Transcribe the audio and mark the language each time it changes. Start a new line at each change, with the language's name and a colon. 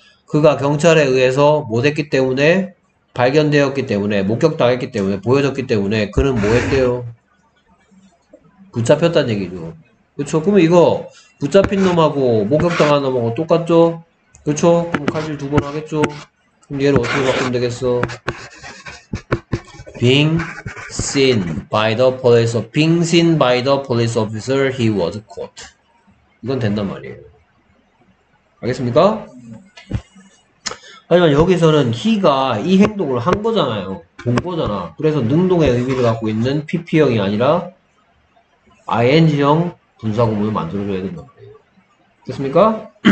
Korean: 그가 경찰에 의해서 못 했기 때문에 발견되었기 때문에 목격당했기 때문에 보여졌기 때문에 그는 뭐 했대요? 붙잡혔단 얘기죠. 그렇죠. 그럼 이거 붙잡힌 놈하고 목격당한 놈하고 똑같죠? 그렇죠. 그럼 칼질 두번 하겠죠. 그럼 얘를 어떻게 바꾸면 되겠어?
English: Being seen by the police officer. Being seen by the police officer, he was caught.
Korean: 이건 된단 말이에요. 알겠습니까? 하지만 여기서는 he가 이 행동을 한 거잖아요. 본 거잖아. 그래서 능동의 의미를 갖고 있는 PP형이 아니라 ing형 분사구문을 만들어줘야 된단 말이에요. 됐습니까?